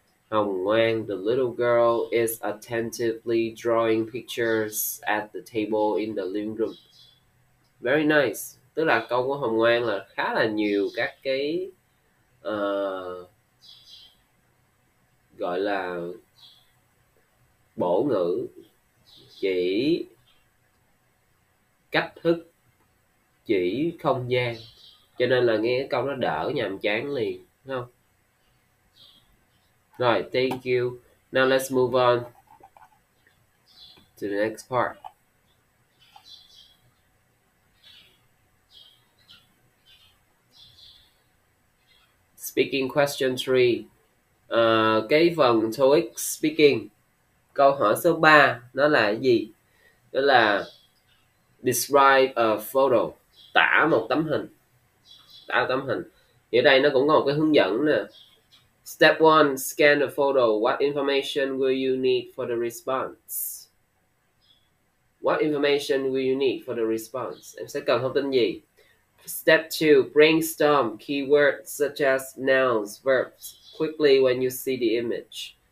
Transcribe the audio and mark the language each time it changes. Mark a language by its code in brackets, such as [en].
[en] Hồng Ngoan, the little girl is attentively drawing pictures at the table in the living room. Very nice. [vi] Tức là câu của Hồng Ngoan là khá là nhiều các cái gọi là bổ ngữ chỉ cách thức chỉ không gian. Cho nên là nghe cái câu nó đỡ nhàm chán liền, đúng không? [en] Rồi, thank you. Now let's move on to the next part. Speaking question 3. [vi] Cái phần TOEIC speaking. Câu hỏi số 3 nó là cái gì? Đó là [en] describe a photo. [vi] Tả một tấm hình. Tả tấm hình. Ở đây nó cũng có một cái hướng dẫn nè. [en] Step 1, scan the photo. What information will you need for the response? What information will you need for the response? [vi] Em sẽ cần thông tin gì? [en] Step 2, brainstorm keywords such as nouns, verbs quickly when you see the image.